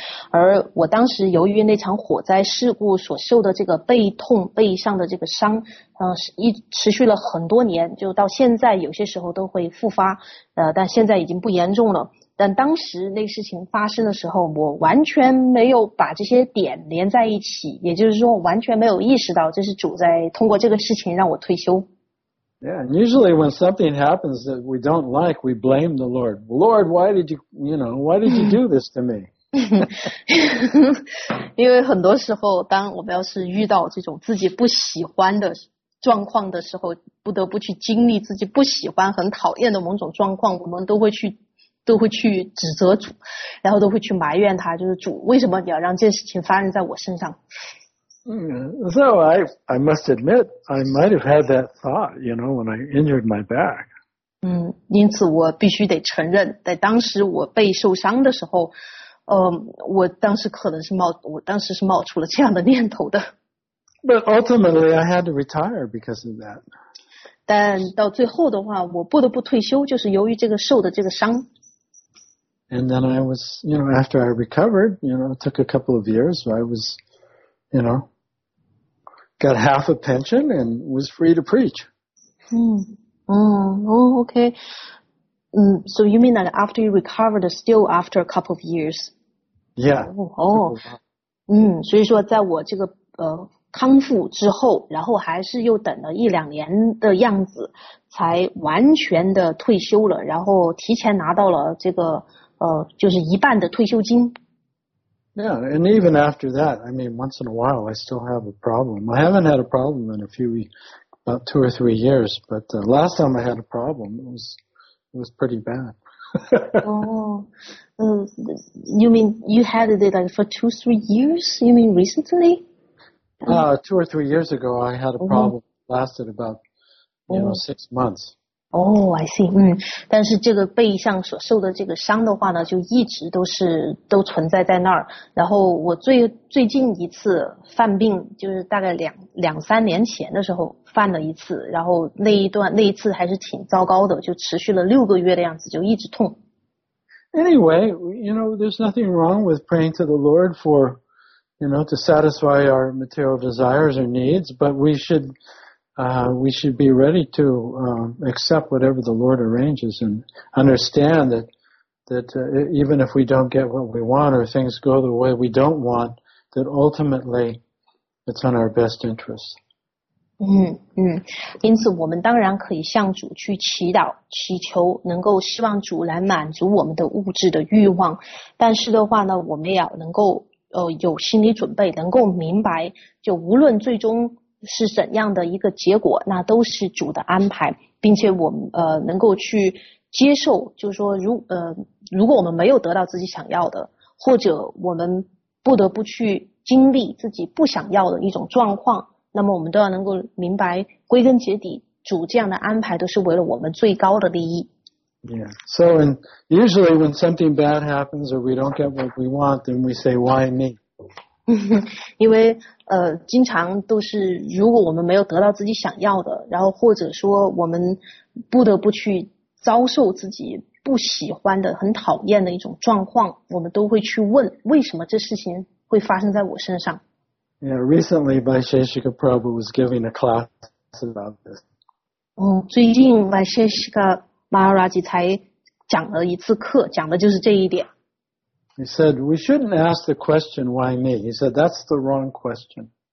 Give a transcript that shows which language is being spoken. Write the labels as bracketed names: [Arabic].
[Chinese] 而我当时由于那场火灾事故所受的这个背痛，背上的这个伤，持续了很多年，就到现在有些时候都会复发，但现在已经不严重了。但当时那事情发生的时候，我完全没有把这些点连在一起，也就是说完全没有意识到这是主在通过这个事情让我退休。 [English] Yeah, and usually when something happens that we don't like, we blame the Lord. Lord, why did you do this to me? [Chinese] 因为很多时候，当我们要是遇到这种自己不喜欢的状况的时候，不得不去经历自己不喜欢、很讨厌的某种状况，我们都会去指责主，然后都会去埋怨他，就是主，为什么你要让这事情发生在我身上？ [English] So I must admit, I might have had that thought, you know, when I injured my back. [Chinese] 因此我必须得承认，在当时我被受伤的时候，我当时是冒出了这样的念头的。 [English] But ultimately, I had to retire because of that. [Chinese] 但到最后的话，我不得不退休，就是由于这个受的这个伤。 [English] And then I was, you know, after I recovered, you know, it took a couple of years, so I was, you know, got half a pension and was free to preach. Okay. So you mean that after you recovered, still after a couple of years? Yeah. Oh. [Chinese] 所以说在我这个康复之后，然后还是又等了一两年的样子，才完全的退休了，然后提前拿到了这个就是一半的退休金。 [English] Yeah, and even after that, I mean, once in a while, I still have a problem. I haven't had a problem in a few weeks, about two or three years, but the last time I had a problem, it was pretty bad. you mean you had it like for two, 3 years? You mean recently? Two or three years ago, I had a problem that lasted about, you know, 6 months. Oh, I see. [Chinese] 但是这个背上所受的这个伤的话呢，就一直都存在那儿。然后我最近一次犯病，就是大概两三年前的时候犯了一次。然后那一次还是挺糟糕的，就持续了6个月的样子，就一直痛。 [English] Anyway, you know, there's nothing wrong with praying to the Lord for, you know, to satisfy our material desires or needs, but we should be ready to accept whatever the Lord arranges and understand that even if we don't get what we want or things go the way we don't want, that ultimately it's in our best interest. [Chinese] 因此我们当然可以向主去祈祷，祈求能够希望主来满足我们的物质的欲望，但是的话呢，我们也要能够有心理准备，能够明白，就无论最终是怎样的一个结果，那都是主的安排，并且我们能够去接受，就是说如果我们没有得到自己想要的，或者我们不得不去经历自己不想要的一种状况，那么我们都要能够明白，归根结底主这样的安排都是为了我们最高的利益。 [English] Yeah. So, and usually when something bad happens or we don't get what we want, then we say, "Why me?" [Chinese] 因为经常都是如果我们没有得到自己想要的，然后或者说我们不得不去遭受自己不喜欢的、很讨厌的一种状况，我们都会去问为什么这事情会发生在我身上。 [English] Yeah, recently, Vaisheshika Prabhu was giving a class about this. [Chinese] 最近 Vaisheshika Maharaj 才讲了一次课，讲的就是这一点。 [English] He said, we shouldn't ask the question, why me? He said, that's the wrong question.